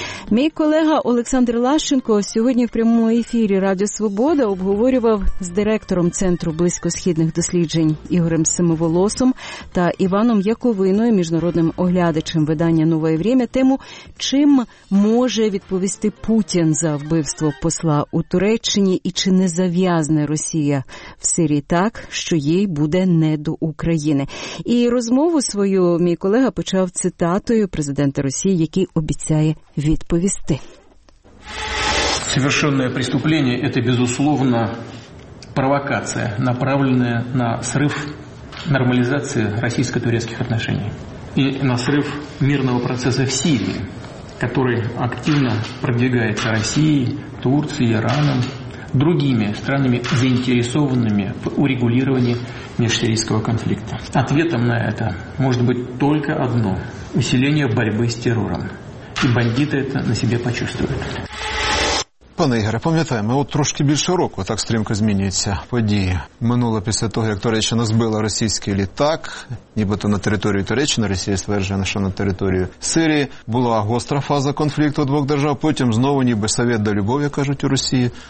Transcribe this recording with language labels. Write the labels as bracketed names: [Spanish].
[Ukrainian] Мій колега Олександр Лащенко сьогодні в прямому ефірі Радіо Свобода обговорював з директором Центру близькосхідних досліджень Ігорем Семиволосом та Іваном Яковиною, міжнародним оглядачем видання «Нове время», тему, чим може відповісти Путін за вбивство посла у Туреччині і чи не зав'язне Росія в Сирії так, що їй буде не до України. І розмову свою мій колега почав цитатою президента Росії, який обіцяє відповісти. [Russian] Совершенне преступление – это, безусловно, провокация, направленная на срыв нормализации российско-турецких отношений и на срыв мирного процесса в Сирии, который активно продвигается Россией, Турцией, Ираном, другими странами, заинтересованными в урегулировании межсирийского конфликта. Ответом на это может быть только одно – усиление борьбы с террором. [Ukrainian] І бандити це на себе почувствують. Пане Ігоре, пам'ятаємо, от трошки більше року так стрімко змінюються події. Минуло після того, як Туреччина збила російський літак, нібито на територію Туреччини, Росія стверджує, що на територію Сирії, була гостра фаза конфлікту двох держав, потім знову ніби совєт до любові, кажуть у Росії.